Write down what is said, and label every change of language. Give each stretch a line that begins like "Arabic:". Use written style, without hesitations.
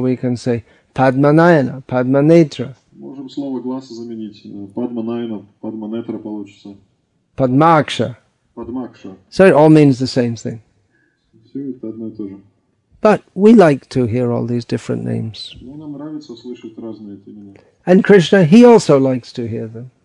English: We can say Падманайна, Падманетра.
Russian: Можем слово глаз заменить. Падманайна, Падманетра получится.
Sanskrit: Падмакша. Падмакша.
English: So it all means the same thing.
Russian: Все это одно и то же.
English: But we like to hear all these different names.
Russian: Ну, нам нравится слышать разные эти имена.
English: And Krishna, he also likes to hear them.